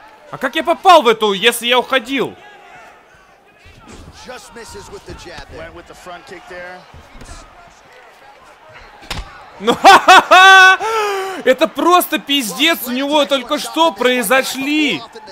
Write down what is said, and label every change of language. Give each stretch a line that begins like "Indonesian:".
Russian: А как я попал в эту, если я уходил?
English: misses with the jab there. Went with the front kick there.
Russian: Ну, это просто пиздец, у него только что произошли.